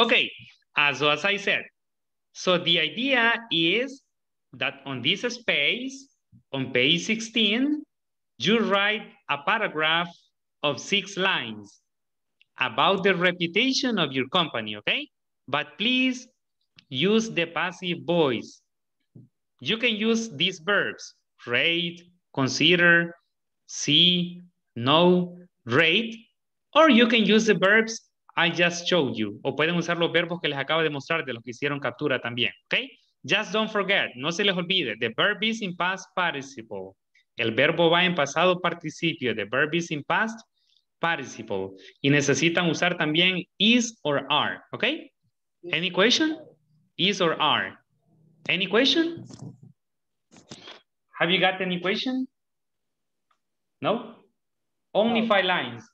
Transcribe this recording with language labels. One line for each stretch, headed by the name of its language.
English: Okay, so as I said, so the idea is that on this space, on page 16, you write a paragraph of 6 lines about the reputation of your company, okay? But please use the passive voice. You can use these verbs. Rate, consider, see, know, rate, or you can use the verbs I just showed you.
Spanish: O pueden usar los verbos que les acabo de mostrar de los que hicieron captura también, okay?
English: Just don't forget,
Spanish: no se les olvide,
English: the verb is in past participle.
Spanish: El verbo va en pasado participio,
English: the verb is in past participle.
Spanish: Y necesitan usar también is or are, okay?
English: Any question? Is or are? Any question? Have you got any question? No? Only 5 lines.